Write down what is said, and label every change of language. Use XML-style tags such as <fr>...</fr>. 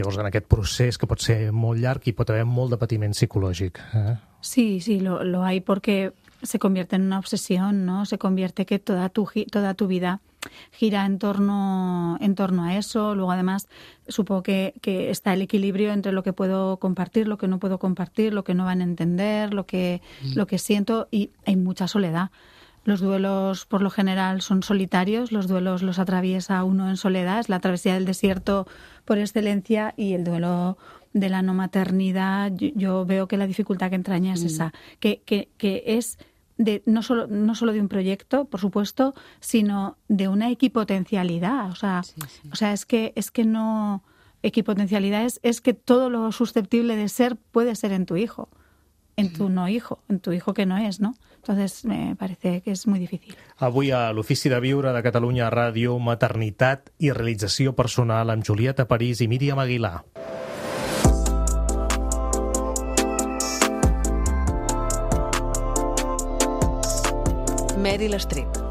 <ca>Llavors, en aquest procés, que pot ser molt llarg, hi pot haver molt de patiment psicològic, eh?</ca> <es>Sí, lo hay, porque se convierte en una obsesión, ¿no? Se convierte que toda tu vida gira en torno a eso. Luego, además, supongo que está el equilibrio entre lo que puedo compartir, lo que no puedo compartir, lo que no van a entender, lo que siento, y hay mucha soledad. Los duelos, por lo general, son solitarios. Los duelos los atraviesa uno en soledad. Es la travesía del desierto por excelencia, y el duelo de la no maternidad, yo veo que la dificultad que entraña es esa, que es de no solo de un proyecto, por supuesto, sino de una equipotencialidad. O sea, es que no, equipotencialidad es que todo lo susceptible de ser puede ser en tu hijo, en tu no hijo, en tu hijo que no es, ¿no? Entonces me parece que es muy difícil.</es> <ca>Avui a l'Ofici de Viure de Catalunya Ràdio, maternitat i realització personal, amb Julieta París i Míriam Aguilar. Meryl Streep.</ca>